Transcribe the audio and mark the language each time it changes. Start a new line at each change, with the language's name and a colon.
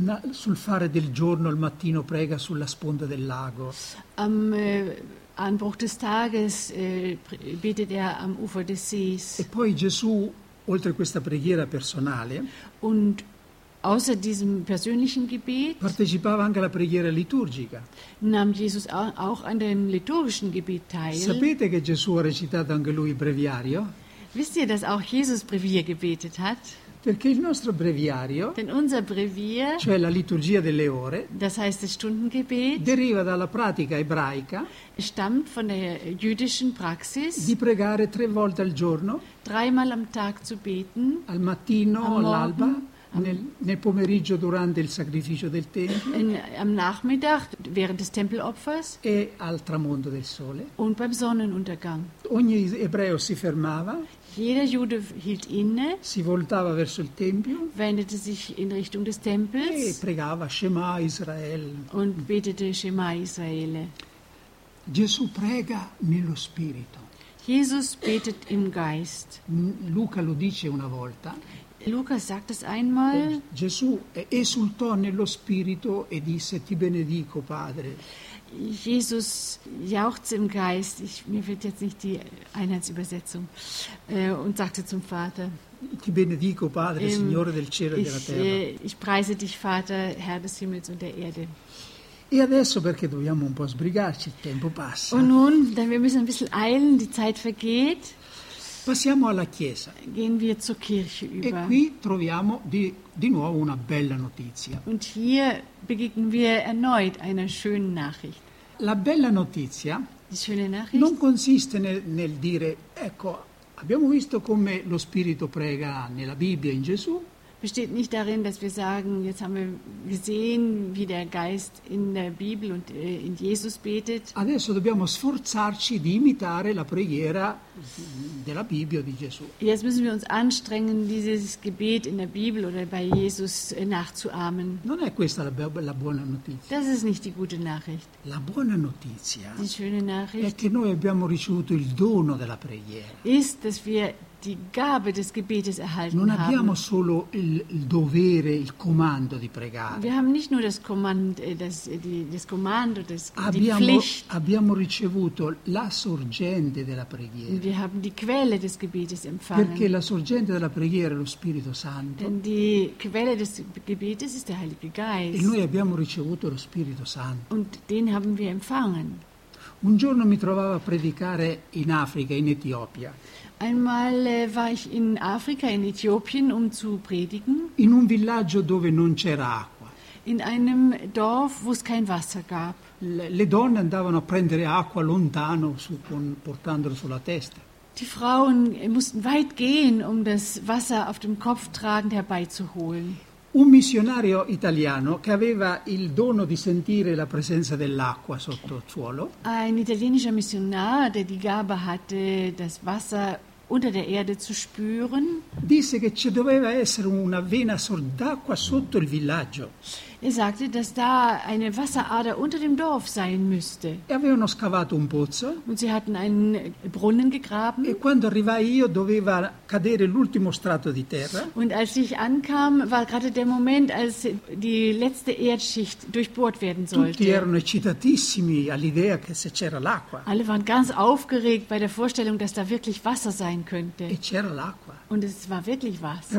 Italian: Sul fare del giorno al mattino prega sulla sponda del lago.
German: Am Anbruch des Tages betet am Ufer des Sees.
Italian: E poi Gesù, oltre questa preghiera personale,
German: und außer diesem persönlichen Gebet
Italian: partecipava anche alla preghiera liturgica.
German: Nahm Jesus auch an dem liturgischen Gebet teil.
Italian: Sapete che Gesù ha recitato anche lui il breviario?
German: Wisst ihr, dass auch Jesus Brevier gebetet hat?
Italian: Perché il nostro breviario,
German: denn unser Brevier,
Italian: cioè la liturgia delle ore,
German: das heißt das Stundengebet,
Italian: deriva dalla pratica ebraica,
German: stammt von der jüdischen Praxis,
Italian: di pregare tre volte al giorno,
German: dreimal am Tag zu beten,
Italian: al mattino, all'alba, nel pomeriggio durante il sacrificio del tempio,
German: am Nachmittag während des Tempelopfers,
Italian: e al tramonto del sole,
German: und beim Sonnenuntergang.
Italian: Ogni ebreo si fermava.
German: Jeder Jude hielt inne,
Italian: si voltava verso il tempio,
German: wendete sich in Richtung des Tempels,
Italian: e pregava Shema Israel,
German: und betete Shema Israele.
Italian: Gesù prega nello spirito.
German: Jesus betet im Geist.
Italian: Luca lo dice una volta.
German: Luca sagt es einmal.
Italian: Gesù esultò nello spirito e disse: Ti benedico, Padre.
German: Jesus jauchzte im Geist, mir fehlt jetzt nicht die Einheitsübersetzung, und sagte zum Vater:
Italian: Ti benedico, Padre, Signore del cielo e della terra.
German: Ich preise dich, Vater, Herr des Himmels und der Erde.
Italian: E adesso perché dobbiamo un po' sbrigarci, il tempo passa.
German: Und nun, denn wir müssen ein bisschen eilen, die Zeit vergeht.
Italian: Passiamo alla Chiesa.
German: Gehen wir zur Kirche über.
Italian: E qui troviamo di nuovo una bella notizia.
German: Und hier begegnen wir erneut einer schönen Nachricht.
Italian: La bella notizia,
German: die schöne Nachricht,
Italian: non consiste nel dire, ecco, abbiamo visto come lo Spirito prega nella Bibbia in Gesù.
German: Besteht nicht darin, dass wir sagen, jetzt haben wir gesehen, wie der Geist in der Bibel und in Jesus betet.
Italian: Adesso dobbiamo sforzarci di imitare la preghiera della Bibbia di Gesù.
German: Jetzt müssen wir uns anstrengen, dieses Gebet in der Bibel oder bei Jesus nachzuahmen.
Italian: Non è questa la buona notizia.
German: Das ist nicht die gute Nachricht.
Italian: La buona notizia,
German: die schöne Nachricht,
Italian: è che noi abbiamo ricevuto il dono della preghiera.
German: Ist, dass wir die Gabe des Gebetes erhalten
Italian: non abbiamo
German: haben.
Italian: Solo il dovere, il comando di pregare.
German: Wir haben nicht nur das Kommando,
Italian: abbiamo ricevuto la sorgente della preghiera.
German: Wir haben die Quelle des Gebetes empfangen.
Italian: Perché la sorgente della preghiera è lo Spirito Santo.
German: Denn die Quelle des Gebetes ist der Heilige Geist.
Italian: E noi abbiamo ricevuto lo Spirito Santo.
German: Und den haben wir empfangen.
Italian: Un giorno mi trovavo a predicare in Africa, in Etiopia.
German: Einmal war ich in Afrika, in Äthiopien, um zu predigen.
Italian: In un villaggio dove non c'era acqua.
German: In einem Dorf, wo es kein Wasser gab.
Italian: Le donne andavano a prendere acqua lontano, portandolo sulla testa.
German: Die Frauen mussten weit gehen, um das Wasser auf dem Kopf tragend herbeizuholen.
Italian: Un missionario italiano che aveva il dono di sentire la presenza dell'acqua sotto il suolo.
German: Ein italienischer Missionar, der die Gabe hatte, das Wasser unter der Erde zu spüren.
Italian: Disse che ci doveva essere una vena d'acqua sotto il villaggio.
German: Er sagte, dass da eine Wasserader unter dem Dorf sein müsste.
Italian: E avevano scavato un pozzo.
German: Und sie hatten einen Brunnen gegraben.
Italian: E quando arrivai io doveva cadere l'ultimo strato di terra.
German: Und als ich ankam, war gerade der Moment, als die letzte Erdschicht durchbohrt werden sollte.
Italian: Tutti erano eccitatissimi all'idea che se c'era l'acqua.
German: Alle waren ganz aufgeregt bei der Vorstellung, dass da wirklich Wasser sein könnte.
Italian: E c'era l'acqua.
German: Und es war wirklich Wasser.